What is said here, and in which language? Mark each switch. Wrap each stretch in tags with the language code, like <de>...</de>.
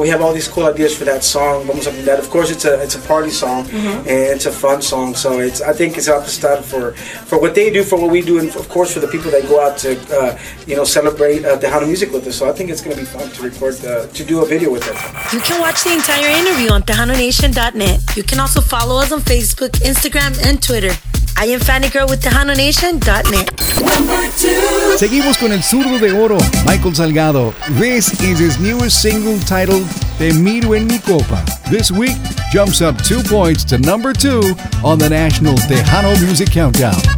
<en>We have all these cool ideas for that song, Vamos a Brindar. Of course, it's a party song, and it's a fun song, so I think it's up to start for what they do, for what we do, and of course for the people that go out to you know, celebrate Tejano music with us. So I think it's going to be fun to record, to do a video with it. You can watch the entire interview on TejanoNation.net. You can also follow us on Facebook, Instagram, and Twitter. I am Fanny Girl with TejanoNation.net.</en> <es>Seguimos con el zurdo de oro, Michael Salgado.</es> <en>This is his newest single titled Te Miro en Mi Copa. This week jumps up 2 points to number 2 on the National Tejano Music Countdown.</en>